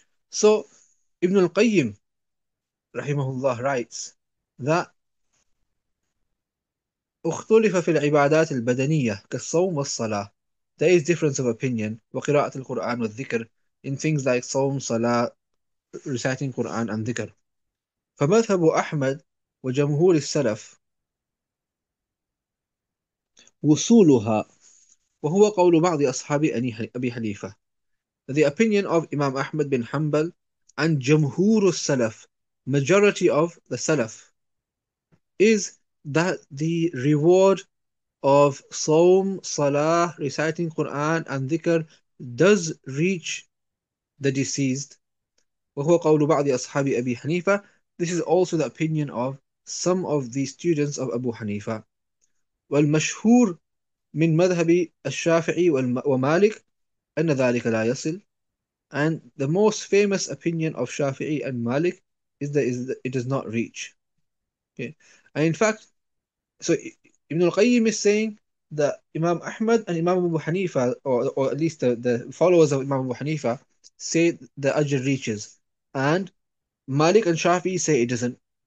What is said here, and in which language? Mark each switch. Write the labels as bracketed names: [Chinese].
[English] So Ibn al-Qayyim rahimahullah writes that [Arabic] اختلف في العبادات البدنية كالصوم والصلاة. [English] There is difference of opinion [Arabic] وقراءة القرآن والذكر [English] in things like صوم, صلاة, reciting Quran and ذكر. [Arabic] فمذهب أحمد وجمهور السلف وصولها وهو قول بعض أصحاب أبي حنيفة. [English] The opinion of Imam Ahmad bin Hanbal and [Arabic] جمهور السلف, [English] majority of the Salaf, is that the reward of sawm, salah, reciting Quran and dhikr does reach the deceased. [Arabic] وهو قول بعض أصحاب أبي حنيفة. [English] This is also the opinion of some of the students of Abu Hanifa. [Arabic] والمشهور من مذهب الشافعي ومالك أن ذلك لا يصل. [English] And the most famous opinion of Shafi'i and Malik is that it does not reach. Okay. And in fact, so Ibn al-Qayyim is saying that Imam Ahmad and Imam Abu Hanifa, or at least the followers of Imam Abu Hanifa, say the ajr reaches, and Malik and Shafi'i say it doesn't.